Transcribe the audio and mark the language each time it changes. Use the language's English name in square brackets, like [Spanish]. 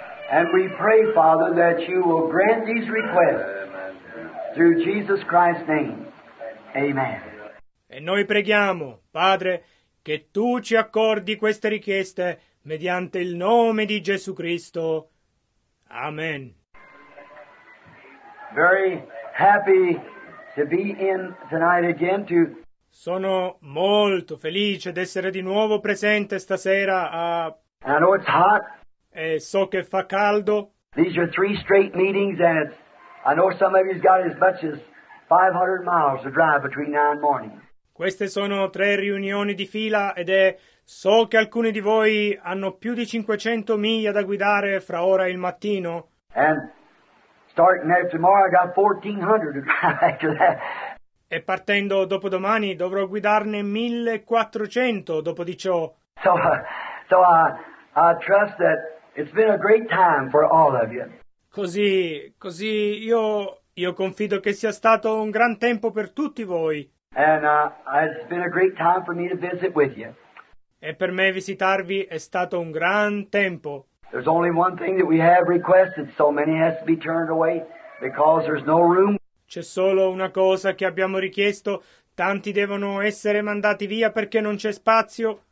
[English] And we pray, Father, that you will grant these requests. Through Jesus Christ's name. Amen. [Italian] E noi preghiamo, Padre, che tu ci accordi queste richieste mediante il nome di Gesù Cristo. Amen. [English] Very happy to be in tonight again to... [Italian] Sono molto felice di essere di nuovo presente stasera a... [English] I know it's hot. [Italian] E so che fa caldo. [English] These are three straight meetings and it's... I know some of you's got as much as 500 miles to drive between now and morning. [Italian] Queste sono tre riunioni di fila ed è so che alcuni di voi hanno più di 500 miglia da guidare fra ora e il mattino. [English] And starting there tomorrow, I got 1400 to drive after that. [Italian] E partendo dopodomani dovrò guidarne 1400 dopo di ciò. [English] So I trust that it's been a great time for all of you. [Italian] Così io confido che sia stato un gran tempo per tutti voi. [English] And it's been a great time for me to visit with you. [Italian] E per me visitarvi è stato un gran tempo. [English] There's only one thing that we have requested, so many has to be turned away because there's no room. [Italian] C'è solo una cosa che abbiamo richiesto, tanti devono essere mandati via perché non c'è spazio.